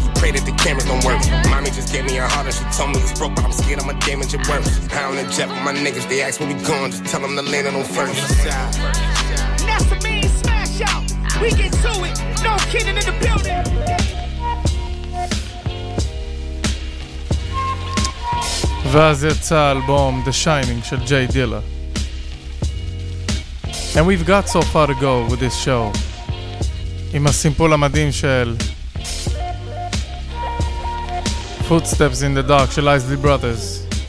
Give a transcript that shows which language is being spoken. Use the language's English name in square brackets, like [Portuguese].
[English] He prayed that the cameras don't work. Mommy just gave me a heart and she told me it's broke, but I'm scared I'ma damage it worse. Pound the jet with my niggas, they ask when we gone. Just tell them to land it on first. That's the main smash out. We get to it. No kidding in the building. [Hebrew] ואז יצא האלבום The Shining של ג'יי דילה. [English] And we've got so far to go with this show. [Hebrew] עם הסימפול המדהים של [English] Footsteps in the Dark של Isley Brothers.